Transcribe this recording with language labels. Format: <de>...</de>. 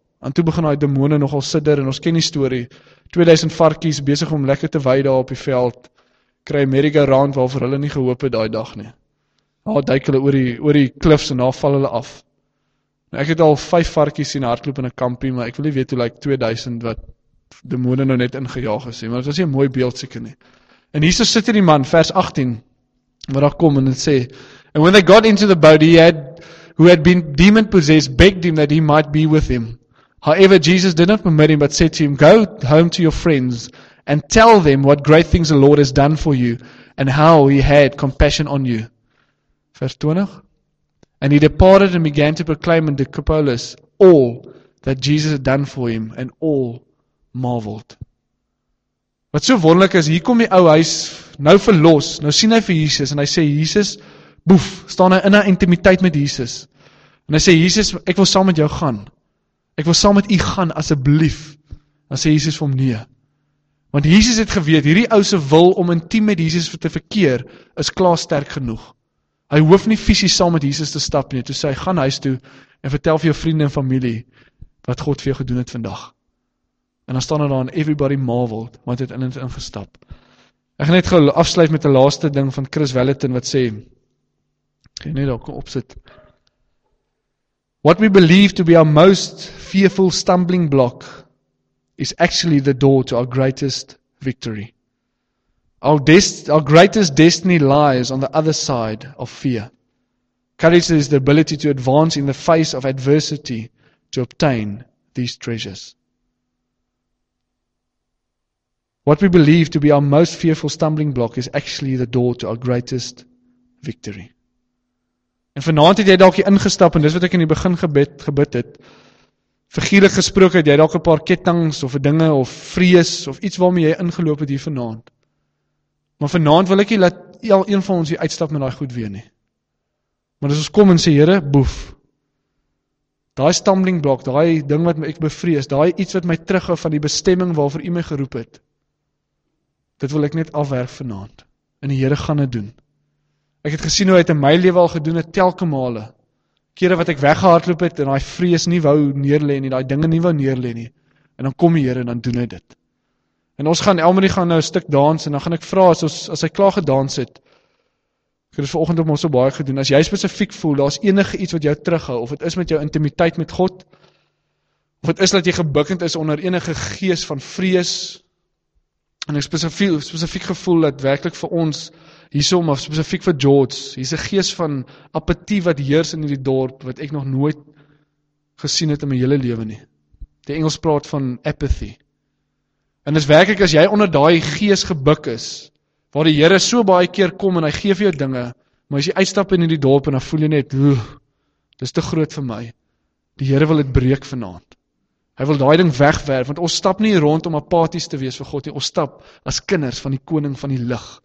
<af>En toe begin daai demone nogal sidder en ons ken die storie. 2000 varkies besig om lekker te wei daar op die veld. Kry merry-go-round waarvoor hulle nie gehoop het daai dag nie. Daar duik hulle oor die klifs en daar val hulle af. Nou ek het al 5 varkies sien hardloop in 'n kampie, maar ek wil nie weet hoe lyk 2000 wat demone nou net ingejaag is nie. Maar dit was nie 'n mooi beeld seker nie. En hier sit hierdie man vers 18 wat daar kom en dit sê,</af> <en>"And when they got into the boat who had been demon possessed begged him that he might be with him. However, Jesus did not permit him, but said to him, go home to your friends and tell them what great things the Lord has done for you and how he had compassion on you. Verse 20. And he departed and began to proclaim in Decapolis all that Jesus had done for him and all marveled.</en> <af>Wat so wonderlik is, hier kom die ou, hy's nou verlos, nou sien hy vir Jesus en hy sê, Jesus, boef, staan hy in 'n intimiteit met Jesus. En hy sê, Jesus, ek wil saam met jou gaan. Ek wil saam met u gaan asseblief. Dan sê Jesus vir hom nee. Want Jesus het geweet, hierdie ou se wil om intiem met Jesus te verkeer, is klaar sterk genoeg. Hy hoef nie fisies saam met Jesus te stap nie. Toe sê hy, gaan huis toe en vertel vir jou vriende en familie wat God vir jou gedoen het vandag. En dan staan hy daar en</af> <en>everybody marveled,</en> <af>want het in en ingestap. Ek gaan net gou afsluit met 'n laaste ding van Chris Wellington wat sê, ek gaan net daar opsit.</af> <en>What we believe to be our most fearful stumbling block is actually the door to our greatest victory. Our greatest destiny lies on the other side of fear. Courage is the ability to advance in the face of adversity to obtain these treasures. What we believe to be our most fearful stumbling block is actually the door to our greatest victory.</en> <af>En vanaand het jy dalk hier ingestap en dis wat ek in die begin gebid het. Figuurlik gesproke het jy dalk 'n paar kettinge of 'n dinge of vrees of iets waarmee jy ingeloop het hier vanaand. Maar vanaand wil ek nie dat een van ons hier uitstap met daai goed weer nie. Maar as ons kom en sê, Here, boef. Daai stumbling block, daai ding wat ek bevrees, daai iets wat my terughou van die bestemming waarvoor U my geroep het. Dit wil ek net afwerk vanaand. En die Here gaan dit doen. Ek het gesien hoe hy het in my lewe al gedoen het telke male. Kere wat ek weggehardloop het en daai vrees nie wou neerlê nie, daai dinge nie wou neerlê nie. En dan kom die Here en dan doen hy dit. En ons gaan Elmarie gaan nou 'n stuk dans en dan gaan ek vra as hy klaar gedans het. Ek het dit vanoggend op ons so baie gedoen. As jy spesifiek voel daar's enige iets wat jou terughou of dit is met jou intimiteit met God of dit is dat jy gebukkend is onder enige gees van vrees en ek spesifiek gevoel dat werklik vir ons hiersom, of spesifiek vir George, hier's 'n gees van apatie wat heers in die dorp, wat ek nog nooit gesien het in my hele lewe nie. Die Engels praat van apathy. En dis werklik, as jy onder daai gees gebuk is, waar die Here so baie keer kom en hy gee vir jou dinge, maar as jy uitstap in die dorp en dan voel jy net, dis te groot vir my. Die Here wil dit breek vanaand. Hy wil daai ding wegwerf, want ons stap nie rond om apaties te wees vir God nie, ons stap as kinders van die koning van die lig.</af>